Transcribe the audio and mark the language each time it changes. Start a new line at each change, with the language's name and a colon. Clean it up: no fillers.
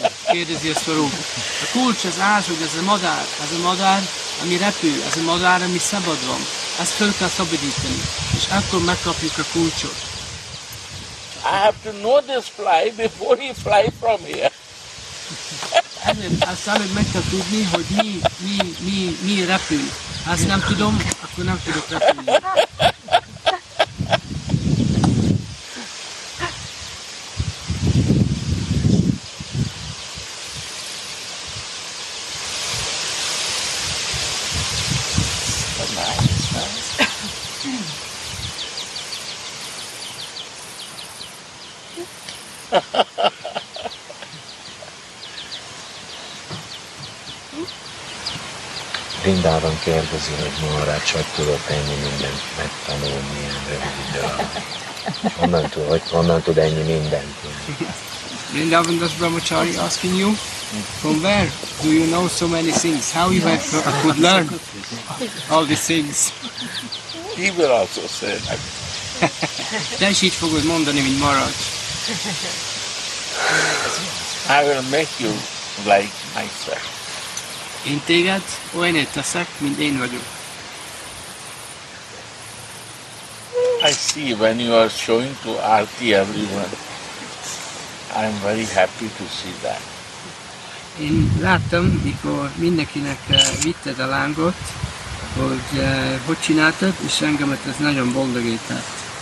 Hungarian: Kérdezi a szorú. A kulcs az madár. Ez a madár, ami repül. Ez a madár, ami szabad van. Ezt fel kell szabadítani. És akkor megkapjuk a kulcsot.
English: I have to know this fly before he fly from here.
Hungarian: Azt előbb meg kell tudni, hogy mi repül. Ha ezt nem tudom, akkor nem tudok repülni. Vrindában kérdezi, hogy Maharács, hogy tudott ennyi mindent megtanulni ilyen rövid idő alatt. Honnan tud ennyi mindent?
English: Vrindában das Brahmachari asking you, from where do you know so many things? How you have could learn all these things? He will also say that.
Hungarian: De is így fogod mondani, mint Maharács.
English: I will make you like myself.
Hungarian: Én téged olyan teszek, mint én vagyok.
English: I see when you are showing to Arti everyone. I am very happy to see that.
Hungarian: Én láttam, mikor mindenkinek vitted a lángot, hogy hogy csináltad, és engemet ez nagyon boldogített.